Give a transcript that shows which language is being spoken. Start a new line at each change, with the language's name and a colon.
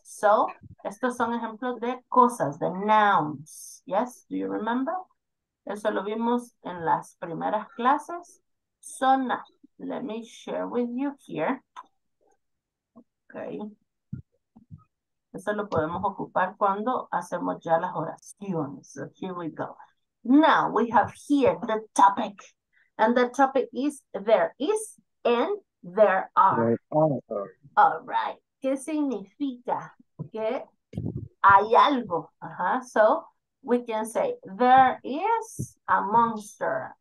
Spanish: So, estos son ejemplos de cosas, de nouns.
English: Yes, do you remember?
Spanish: Eso lo vimos en las primeras clases.
English: So now, let me share with you here. Okay.
Spanish: Eso lo podemos ocupar cuando hacemos ya las oraciones.
English: So here we go. Now, we have here the topic. And the topic is there is and there are. All right.
Spanish: ¿Qué significa? Que hay algo. Uh-huh.
English: So, we can say, there is a monster.